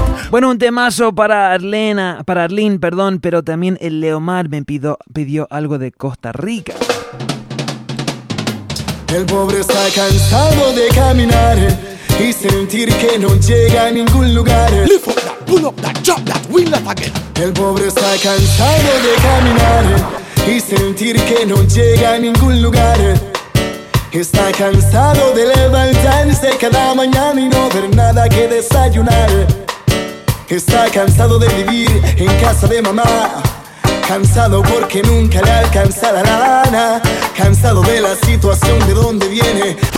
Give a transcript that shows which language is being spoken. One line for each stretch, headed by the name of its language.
Spanish: Bueno, un temazo para Arlena, para Arlene, perdón, pero también el Leomar me pidió algo de Costa Rica. El pobre está cansado de caminar y sentir que no llega a ningún lugar.
English: Lift up that, pull up that, jump that, win that again.
Spanish: El pobre está cansado de caminar y sentir que no llega a ningún lugar. Está cansado de levantarse cada mañana y no ver nada que desayunar. Está cansado de vivir en casa de mamá. Cansado porque nunca le alcanzará la lana. Cansado de la situación de donde viene.